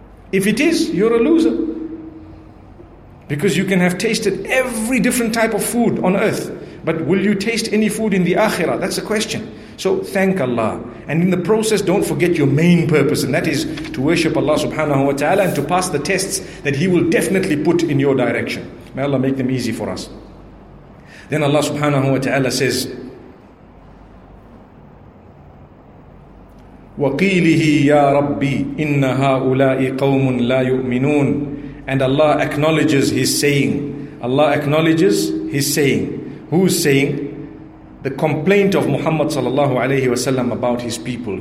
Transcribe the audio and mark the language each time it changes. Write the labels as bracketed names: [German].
[English] If it is, you're a loser. Because you can have tasted every different type of food on earth, but will you taste any food in the akhirah? That's the question. So thank Allah. And in the process, don't forget your main purpose, and that is to worship Allah subhanahu wa ta'ala and to pass the tests that He will definitely put in your direction. May Allah make them easy for us. Then Allah subhanahu wa ta'ala says, [Arabic] وَقِيلِهِ يَا رَبِّ إِنَّ هَؤُلَاءِ قَوْمٌ لَا يُؤْمِنُونَ. [English] And Allah acknowledges His saying. Allah acknowledges His saying. Who's saying? The complaint of Muhammad sallallahu alayhi wa sallam about his people.